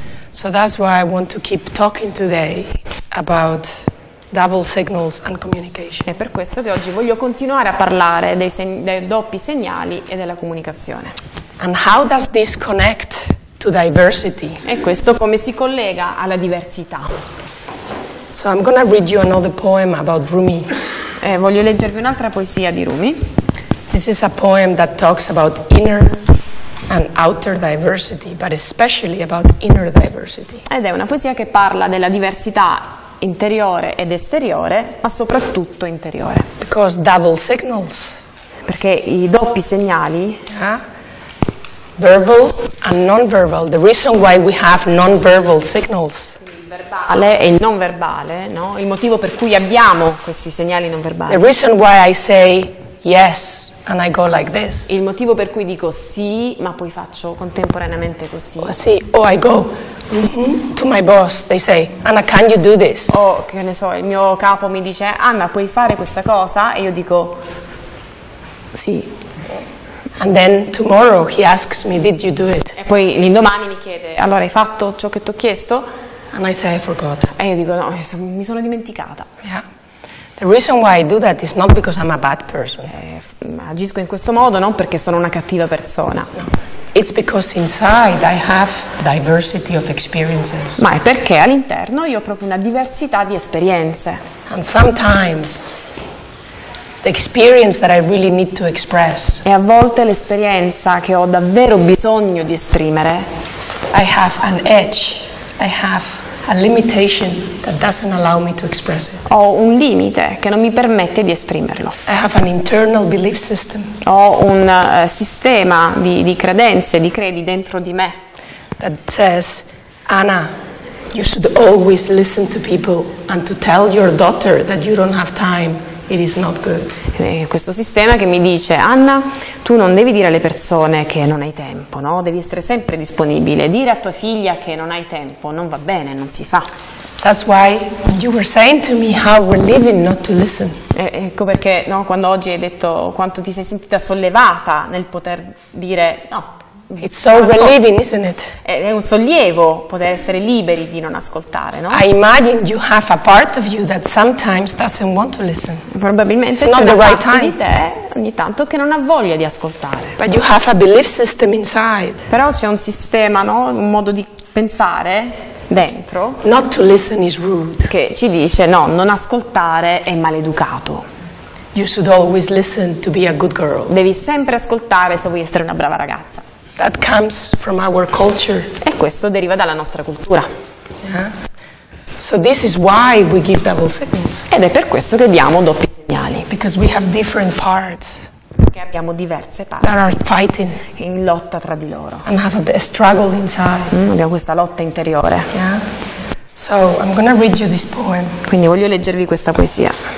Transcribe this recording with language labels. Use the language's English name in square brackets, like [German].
[English] So that's why I want to keep talking today about double signals and communication. [Italian] È per questo che oggi voglio continuare a parlare dei doppi segnali e della comunicazione. [English] And how does this connect to diversity? [Italian] E questo come si collega alla diversità? [English] So I'm gonna read you another poem about Rumi. [Italian] Voglio leggervi un'altra poesia di Rumi. [English] This is a poem that talks about inner and outer diversity, but especially about inner diversity. [Italian] Ed è una poesia che parla della diversità interiore ed esteriore, ma soprattutto interiore. [English] Because double signals. [Italian] Perché i doppi segnali, [English] verbal and non-verbal. The reason why we have non-verbal signals. [Italian] Verbale e il non verbale, no? Il motivo per cui abbiamo questi segnali non verbali. [English] The reason why I say yes and I go like this. [Italian] Il motivo per cui dico sì, ma poi faccio contemporaneamente così. Oh, sì, o [English] I go to my boss, they say, Anna, can you do this? [Italian] O che ne so, il mio capo mi dice, Anna, puoi fare questa cosa? E io dico sì. [English] And then tomorrow he asks me, did you do it? [Italian] E poi l'indomani mi chiede, allora hai fatto ciò che ti ho chiesto? [English] And I say, I forgot. [Italian] E io dico, no, mi sono dimenticata. [English] Yeah. The reason why I do that is not because I'm a bad person. [Italian] Agisco in questo modo non perché sono una cattiva persona. [English] No. It's because inside I have diversity of experiences. [Italian] Ma è perché all'interno io ho proprio una diversità di esperienze. [English] And sometimes the experience that I really need to express. [Italian] E a volte l'esperienza che ho davvero bisogno di esprimere. [English] I have an edge. I have a limitation that doesn't allow me to express it. [Italian] Ho un limite che non mi permette di esprimerlo. [English] I have an internal belief system. [Italian] Ho un sistema di credenze, di credi dentro di me. [English] That says, Anna, you should always listen to people and to tell your daughter that you don't have time. It is not good. [Italian] Questo sistema che mi dice, Anna, tu non devi dire alle persone che non hai tempo, no? Devi essere sempre disponibile. Dire a tua figlia che non hai tempo non va bene, non si fa. [English] That's why you were saying to me how relieving not to listen. [Italian] Ecco perché, no, quando oggi hai detto quanto ti sei sentita sollevata nel poter dire no. [English] It's so relieving, isn't it? [Italian] È un sollievo poter essere liberi di non ascoltare, no? [English] I imagine you have a part of you that sometimes doesn't want to listen. [Italian] Probabilmente c'è una parte di te ogni tanto che non ha voglia di ascoltare. [English] But you have a belief system inside. [Italian] Però c'è un sistema, no? Un modo di pensare dentro. [English] Not to listen is rude. [Italian] Che ci dice no, non ascoltare è maleducato. [English] You should always listen to be a good girl. [Italian] Devi sempre ascoltare se vuoi essere una brava ragazza. [English] That comes from our culture. [Italian] E questo deriva dalla nostra cultura. [English] Yeah. So this is why we give double signals. [Italian] Ed è per questo che diamo doppi segnali. [English] Because we have different parts. [Italian] Perché abbiamo diverse parti. [English] That are fighting. [Italian] In lotta tra di loro. [English] And have a struggle inside. [Italian] Abbiamo questa lotta interiore. [English] Yeah. So I'm gonna read you this poem. [Italian] Quindi voglio leggervi questa poesia.